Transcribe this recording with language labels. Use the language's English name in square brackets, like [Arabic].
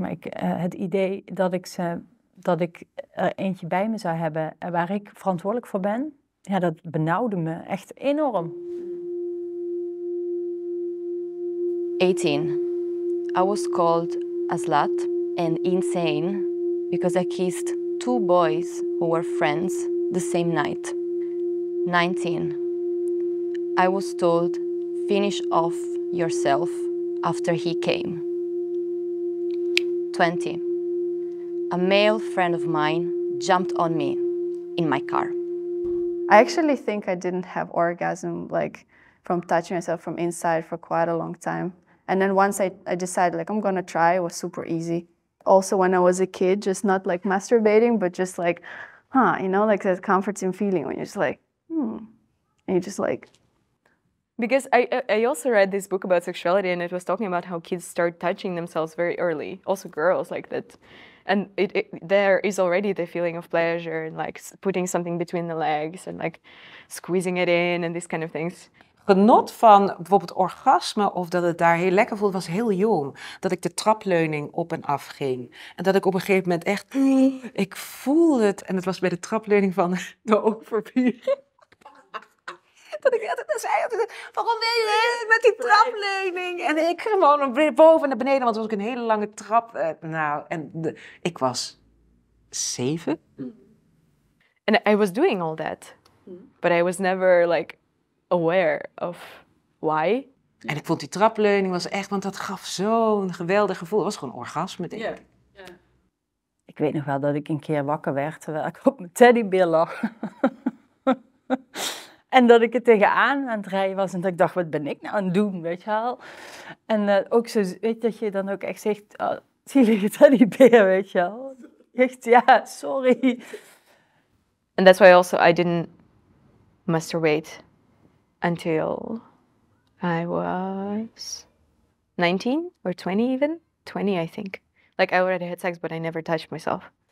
[Dutch] Maar het idee dat ik er eentje bij me zou hebben waar ik verantwoordelijk voor ben, ja, dat benauwde me echt enorm. [English] 18. I was called a slut and insane because I kissed 2 boys who were friends the same night. 19. I was told, finish off yourself after he came. 20. A male friend of mine jumped on me in my car. I actually think I didn't have orgasm, like, from touching myself from inside for quite a long time. And then once I decided, like, I'm gonna try, it was super easy. Also, when I was a kid, just not like masturbating, but just like, huh, you know, like that comforting feeling when you're just like, and you just like. Because I also read this book about sexuality, and it was talking about how kids start touching themselves very early, also girls like that. And it there is already the feeling of pleasure and like putting something between the legs and like squeezing it in and these kind of things. [Dutch] Genot van bijvoorbeeld orgasme of dat het daar heel lekker voelde, was heel jong. Dat ik de trapleuning op en af ging. En dat ik op een gegeven moment echt, ik voelde het. En het was bij de trapleuning van de overbuur. Dat ik altijd zei, waarom ben je met die trapleuning? En ik gewoon boven naar beneden, want het was ook een hele lange trap. Nou, en ik was 7. [English] En I was doing all that. But I was never like aware of why. [Dutch] En ik vond die trapleuning was echt, want dat gaf zo'n geweldig gevoel. Het was gewoon orgasme, denk ik. [English] Yeah. [Dutch] Ik weet nog wel dat ik een keer wakker werd terwijl ik op mijn teddybeer lag. En dat ik er tegenaan aan het rijden was en dat ik dacht, wat ben ik nou aan het doen, weet je wel? En ook zo, weet je, dat je dan ook echt zegt, oh, zie je teddybeer, weet je wel? Echt, ja, sorry. [English] And that's why also I didn't masturbate until I was 19 or 20 even. 20, I think. Like, I already had sex, but I never touched myself.